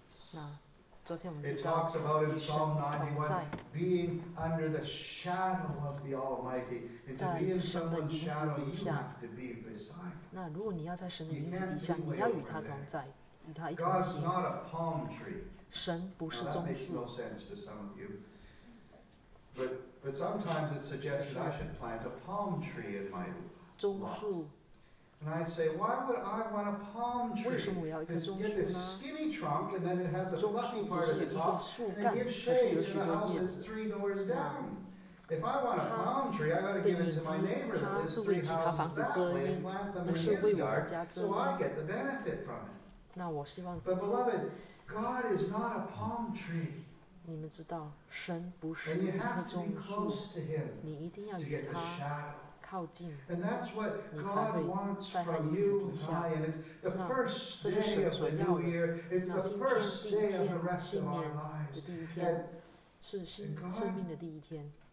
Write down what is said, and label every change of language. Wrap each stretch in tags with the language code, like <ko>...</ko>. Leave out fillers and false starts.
<zh>那昨天我们提到与神同在，</zh> <en>being under the shadow of the Almighty,</en> <zh>在神的影子底下。那如果你要在神的影子底下，你要与他同在，与他一同行。</zh> <en>God's not a palm tree.</en> <zh>神不是棕树。</zh> <en>Now that makes no sense to some of you. But sometimes it's suggested I should plant a palm tree in my lot.</en> <zh>棕树。</zh> <en>And I say, why would I want a palm tree?</en> <zh>为什么我要一棵棕树呢？</zh> <en>skinny trunk, and then it has a fluffy part of the top, and it gives shade, and the house is three doors down. If I want a palm tree, I gotta give it to my neighbor that lives three houses that way and plant them in his yard, so I get the benefit from it. But beloved, God is not a palm tree.</en> <zh>你们知道，神不是一棵棕树，你一定要与他。靠近，你才会在他影子底下。那这是神所要的。那今天第一天，新年的第一天，是新生命的第一天。</zh>